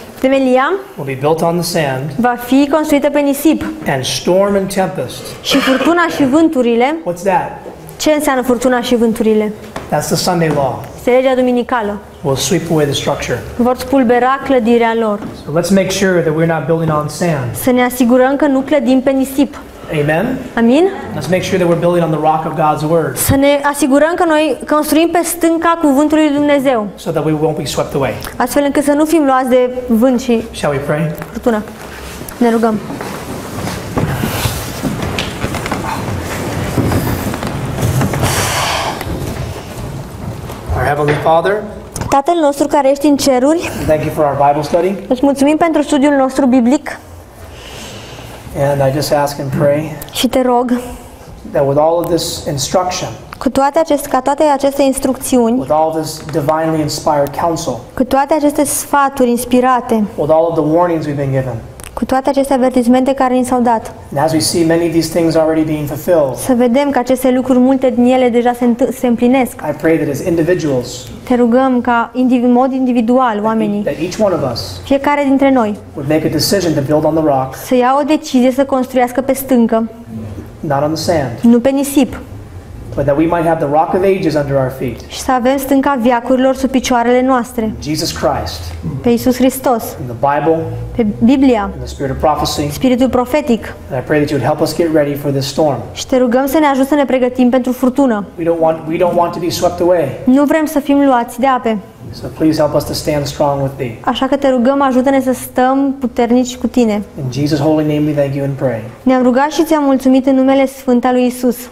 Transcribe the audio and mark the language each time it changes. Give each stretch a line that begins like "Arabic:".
Romanian: Temelia
English: will be built on the sand.
Romanian: Va fi construită pe nisip.
English: And storm and tempest.
Romanian: Și furtuna și vânturile.
English: What's that?
Romanian: Ce înseamnă furtuna și vânturile?
English: That's the Sunday law.
Romanian: Este legea duminicală.
English: Will sweep away the structure.
Romanian: Vor spulbera clădirea lor.
English: So let's make sure that we're not building on sand.
Romanian: Să ne asigurăm că nu clădim pe nisip.
English: Amen.
Romanian: Amin.
English: Let's make sure that we're building on the rock of God's word.
Romanian: Să ne asigurăm că noi construim pe stânca cuvântului lui Dumnezeu.
English: So that we won't be swept away.
Romanian: Astfel încât să nu fim luați de vânt și
English: Shall we pray?
Romanian: Furtuna. Ne rugăm.
English: Our Heavenly Father.
Romanian: Tatăl nostru care ești în ceruri.
English: Thank you for our Bible study.
Romanian: Îți mulțumim pentru studiul nostru biblic.
English: And I just ask and pray.
Romanian: Și te rog.
English: That with all of this instruction.
Romanian: Cu toate aceste instrucțiuni.
English: With all this divinely inspired counsel.
Romanian: Cu toate aceste sfaturi inspirate.
English: With all of the warnings we've been given.
Romanian: Cu toate aceste avertismente care ni s-au dat.
English: And as we see many of these things already being fulfilled.
Romanian: Să vedem că aceste lucruri multe din ele deja se împlinesc.
English: I pray that as individuals.
Romanian: Te rugăm ca în mod individual oamenii.
English: That each one of us.
Romanian: Fiecare dintre noi.
English: Would make a decision to build on the rock.
Romanian: Să ia o decizie să construiască pe stâncă.
English: Not on the sand.
Romanian: Nu pe nisip.
English: But that we might have the rock of ages under our feet.
Romanian: Și să avem stânca veacurilor sub picioarele noastre.
English: Jesus Christ.
Romanian: Pe Iisus Hristos.
English: In the Bible.
Romanian: Pe Biblia.
English: In the spirit of prophecy.
Romanian: Spiritul profetic.
English: And I pray that you would help us get ready for this storm.
Romanian: Și te rugăm să ne ajut să ne pregătim pentru furtună.
English: We don't want to be swept away.
Romanian: Nu vrem să fim luați de ape.
English: So please help us to stand strong with thee.
Romanian: Așa că te rugăm, ajută-ne să stăm puternici cu tine.
English: In Jesus' holy name we thank you and pray.
Romanian: Ne-am rugat și ți-am mulțumit în numele sfânt al lui Iisus.